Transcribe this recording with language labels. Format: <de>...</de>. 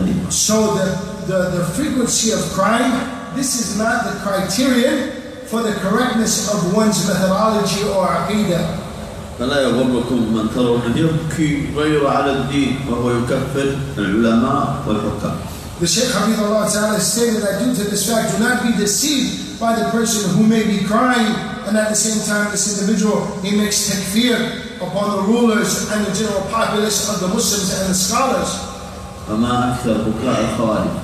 <en>So the frequency of crying, this is not the criterion for the correctness of one's methodology or aqidah.</en> <ar>فلا يغركم من تروه يبكي غير على الدين وهو يكفر العلماء والحكام.</ar> <en>The Shaykh Habibullah Ta'ala stated that due to this fact, do not be deceived by the person who may be crying, and at the same time, this individual, he makes takfir upon the rulers and the general populace of the Muslims and the scholars.</en> <ar>فما أكثر بكاء الخوارج.</ar>